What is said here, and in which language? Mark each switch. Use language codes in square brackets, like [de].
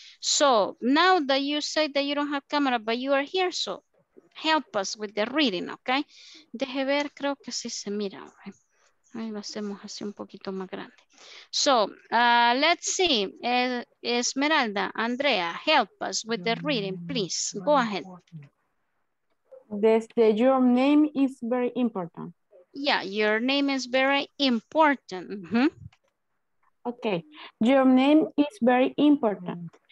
[en] So, now that you say that you don't have camera, but you are here, so help us with the reading, okay? [es] Deje ver, creo que sí se mira. Okay? Ahí lo hacemos así un poquito más grande. [en] So, let's see. Esmeralda, Andrea, help us with the reading, please. Go ahead. Your name is very important. Yeah, your name is very important. Mm-hmm. Okay, your name is very important.